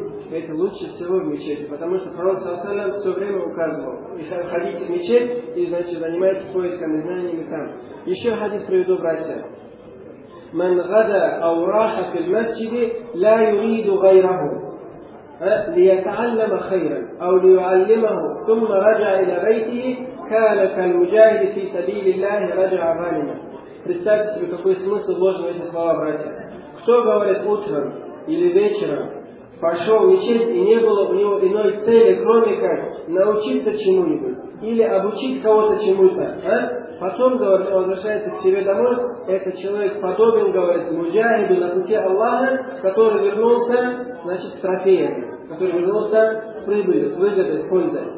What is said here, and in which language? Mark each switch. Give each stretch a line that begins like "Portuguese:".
Russian: Это лучше всего в мечети, потому что пророк саллаллаху алейхи ва саллям все время указывал. И ходите в мечеть и, значит, занимайтесь поисками знаниями там. Еще хадис приведу, братья.
Arabic: «Ман гада аураха фил масчиди, ла юриду гайраху». ليتعلم خيرا أو ليعلمه ثم رجع إلى بيته كان كالمجاهد في سبيل الله رجع غانما.
Russian: Представьте себе, какой смысл вложен в эти слова, братья. Кто, говорит, утром или вечером пошел в мечеть и не было у него иной цели, кроме как научиться чему-нибудь или обучить кого-то чему-то, потом, говорит, он возвращается к себе домой, этот человек подобен, говорит, муджахиду на пути Аллаха, который вернулся, значит, с трофеями, который вернулся с прибылью, с выгодой, с пользой.